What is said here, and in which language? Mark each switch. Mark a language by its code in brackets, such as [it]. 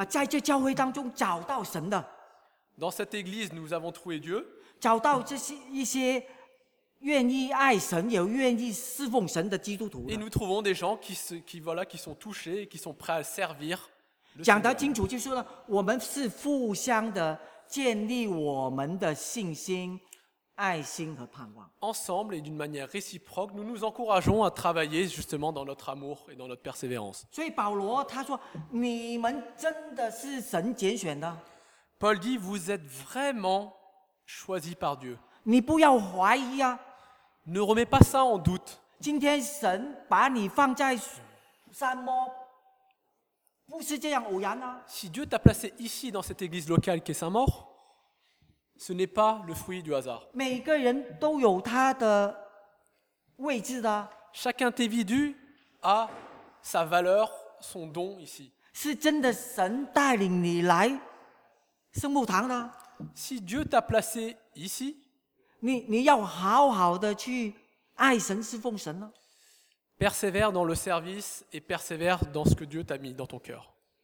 [zh] 在这教会当中找到神的。 [fr] Dans cette église, nous avons trouvé Dieu. [zh] 找到这些一些愿意爱神也愿意侍奉神的基督徒。 [fr] Et nous trouvons des gens qui sont touchés, qui sont prêts à servir. [zh] 讲得清楚就是说我们是互相的建立我们的信心、爱心和盼望。 [fr] Ensemble et d'une manière réciproque, nous nous encourageons à travailler justement dans notre amour et dans notre persévérance. [zh] 所以保罗他说，你们真的是神拣选的。 [fr] Paul dit, vous êtes vraiment choisis par Dieu. [zh] 你不要怀疑啊。 [fr] Ne remets pas ça en doute. [zh] 今天神把你放在山摩。不是这样偶然啊。 [fr] Si Dieu t'a placé ici dans cette église locale qui est Saint-Maur, ce n'est pas le fruit du hasard. [zh] 每个人都有他的位置的。 [fr] Chaque individu a sa valeur, son don ici. [zh] 是真的神带领你来圣母堂的。 [fr] Si Dieu t'a placé ici, [zh] 你要好好的去爱神侍奉神呢。 [fr] Persévère dans le service et persévère dans ce que Dieu t'a mis dans ton cœur.